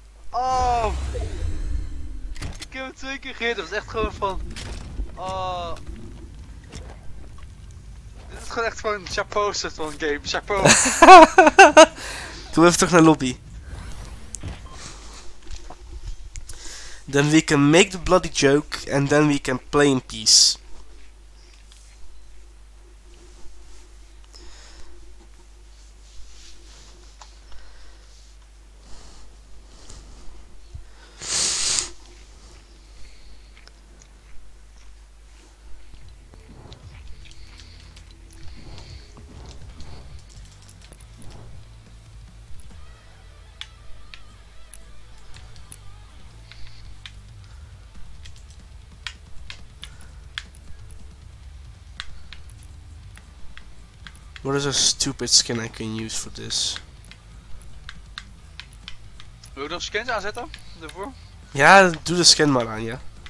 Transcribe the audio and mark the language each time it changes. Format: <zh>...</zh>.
<nl>Ja. Oh! Ik heb hem 2 keer gehit, dat was echt gewoon van... Oh... Dit is gewoon echt gewoon chapeau soort van game, chapeau. Doe even terug naar lobby.</nl> <en>Then we can make the bloody joke, and then we can play in peace. What is a stupid skin I can use for this?</en> <nl>Wil je nog skins aanzetten? Daarvoor? Ja, doe de skin maar aan, ja.</nl>